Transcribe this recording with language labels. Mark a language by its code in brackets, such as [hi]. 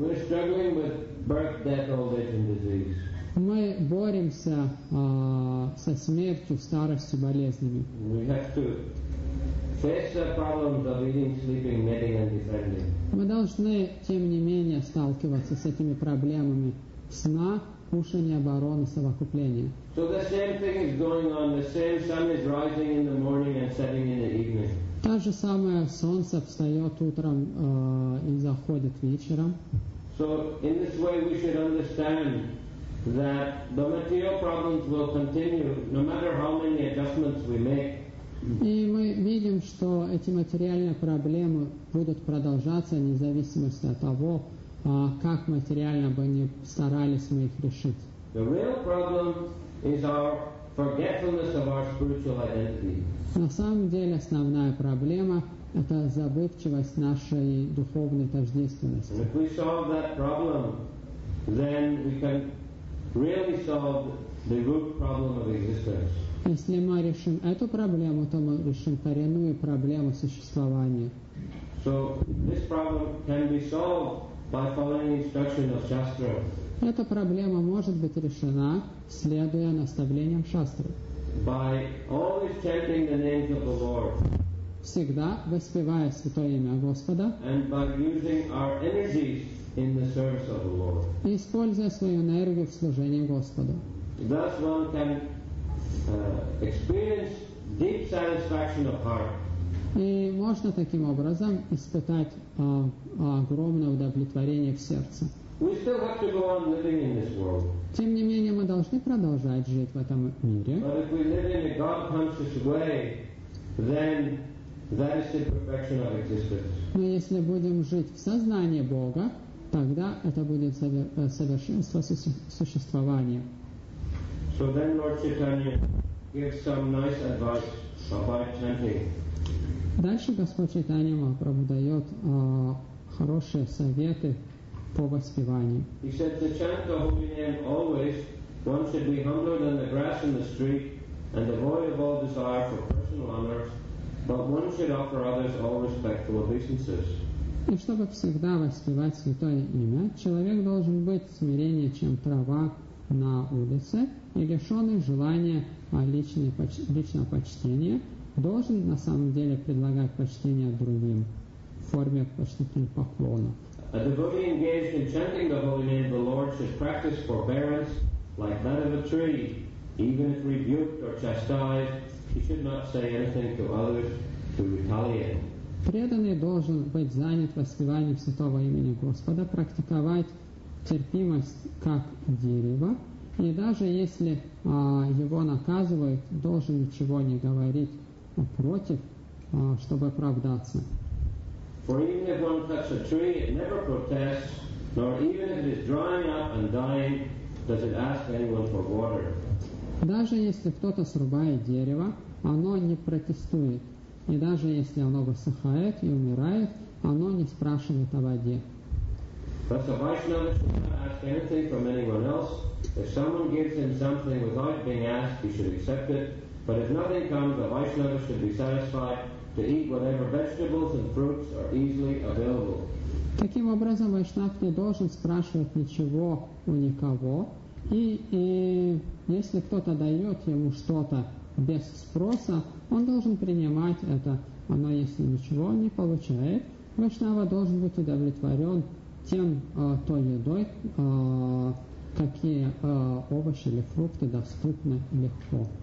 [en] We're struggling with birth, death, old age and disease. [ru] Мы боремся со смертью, старостью, болезнями. [en] We have to face the problems of eating, sleeping, mating and defending. [ru] Мы должны, тем не менее, сталкиваться с этими проблемами сна, кушания, обороны, совокупления. [en] So the same thing is going on. The same sun is rising in the morning and setting in the evening. [ru] Та же самая солнце встает утром и заходит вечером. [en] So in this way we should understand that the material problems will continue no matter how many adjustments we make. [ru] И мы видим, что эти материальные проблемы будут продолжаться вне зависимости от того, как материально бы не старались мы их решить. [en] The real problem is our forgetfulness of our spiritual identity. [ru] На самом деле основная проблема — это забывчивость нашей духовной тождественности. [en] And if we solve that problem, then we can really solve the root problem of existence. [ru] Если мы решим эту проблему, то мы решим коренную проблему существования. [en] So this problem can be solved by following instruction of Shastra. [ru] Эта проблема может быть решена, следуя наставлениям Шастры. [en] By always chanting the names of the Lord. [ru] Всегда воспевая святое имя Господа. [en] And by using our energies in the service of the Lord. [ru] Используя свою энергию в служении Господу. [en] Thus one can experience deep satisfaction of heart. [ru] И можно таким образом испытать огромное удовлетворение в сердце. [en] We still have to go on living in this world. [ru] Тем не менее, мы должны продолжать жить в этом мире. [en] But if we live in a God-conscious way, then that is the perfection of existence. [ru] Но если будем жить в сознании Бога, тогда это будет совершенство существования. [en] So then Lord Chaitanya gives some nice advice by chanting. [ru] Дальше Господь Чайтанья Махапрабху дает хорошие советы по воспеванию. [en] He said to chant the holy name always, one should be humbler than the grass in the street and devoid of all desire for personal honors, but one should offer others all respectful obeisances. [ru] И чтобы всегда воспевать святое имя, человек должен быть смиреннее, чем трава на улице, и лишенный желания личного почтения, должен на самом деле предлагать почтение другим в форме почтительных поклонов. [en] A devotee engaged in chanting the holy name of the Lord should practice forbearance like that of a tree. Even if rebuked or chastised, he should not say anything to others to retaliate. [ru] Преданный должен быть занят воспеванием святого имени Господа, практиковать терпимость как дерево, и даже если его наказывают, должен ничего не говорить против, чтобы оправдаться. [en] For even if one cuts a tree, it never protests, nor even if it is drying up and dying, does it ask anyone for water. [ru] Даже если кто-то срубает дерево, оно не протестует. И даже если оно высыхает и умирает, оно не спрашивает о воде. [en] Thus a Vaishnava should not ask anything from anyone else. If someone gives him something without being asked, he should accept it. But if nothing comes, the Vaishnava should be satisfied to eat whatever vegetables and fruits are easily available. [ru] Таким образом, Вайшнав не должен спрашивать ничего у никого. И если кто-то дает ему что-то без спроса, он должен принимать это, оно если ничего не получает. Вайшнава должен быть удовлетворен тем той едой, какие овощи или фрукты доступны легко.